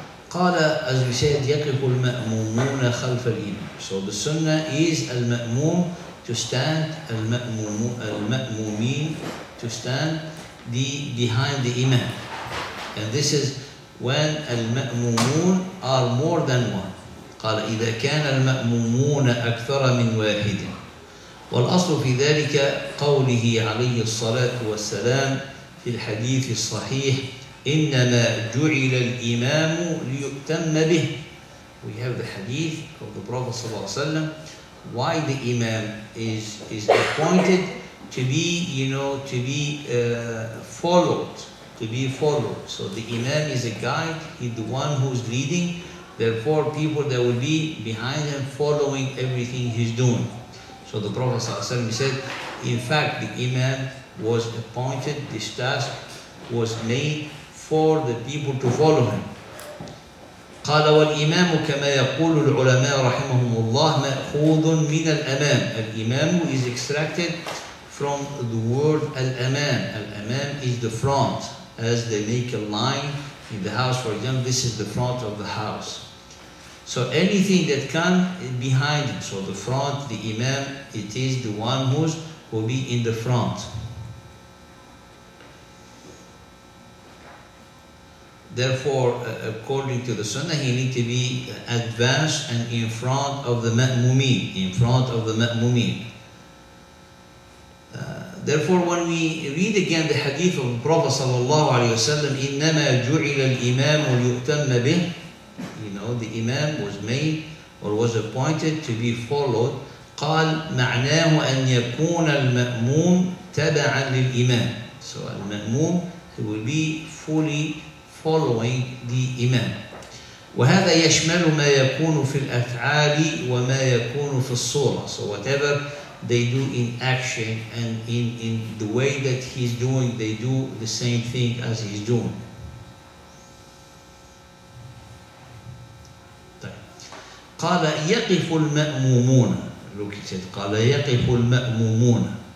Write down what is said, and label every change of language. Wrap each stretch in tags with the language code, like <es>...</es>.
<ar>قال,</ar> <en>as we said,</en> <ar>يقف المأمومون خلف الإمام.</ar> <en>So the sunnah is al-ma'mum to stand, al-ma'mumin to stand behind the imam. And this is when al-ma'mumun are more than one.</en> <ar>قال, إذا كان المأمومون أكثر من واحد. والأصل في ذلك قوله عليه الصلاة والسلام في الحديث الصحيح إنما جعل الإمام ليؤتم به.</ar> <en>We have the hadith of the Prophet صلى الله عليه وسلم, why the imam is appointed to be, you know, to be followed, to be followed. So the imam is a guide, he's the one who's leading, therefore people that will be behind him following everything he's doing. So the Prophet ﷺ said, in fact, the imam was appointed, this task was made for the people to follow him.</en> <ar>قال والإمام كما يقول العلماء رحمهم الله مأخوذ من الأمام.</ar> <en>الإمام is extracted from the word الأمام. الأمام is the front, as they make a line in the house. For example, this is the front of the house. So anything that comes behind him, so the front, the imam, it is the one who will be in the front. Therefore, according to the sunnah, he needs to be advanced and in front of the ma'mumin, in front of the ma'mumin. Therefore, when we read again the hadith of the Prophet sallallahu alayhi wa sallam,</en> <ar>إِنَّمَا جُعِلَ الْإِمَامُ لِيُؤْتَمَّ بِهِ.</ar> <en>You know, the imam was made or was appointed to be followed.</en> <ar>قال معناه أن يكون المأموم تبعا للإمام.</ar> <en>So المأموم, he will be fully following the imam.</en> <ar>وهذا يشمل ما يكون في الأفعال وما يكون في الصورة.</ar> <en>So whatever they do in action and in the way that he's doing, they do the same thing as he's doing.</en> <ar>قال يقف المأمومون.</ar> <en>Look, he said,</en> <ar>قال يقف المأمومون.</ar>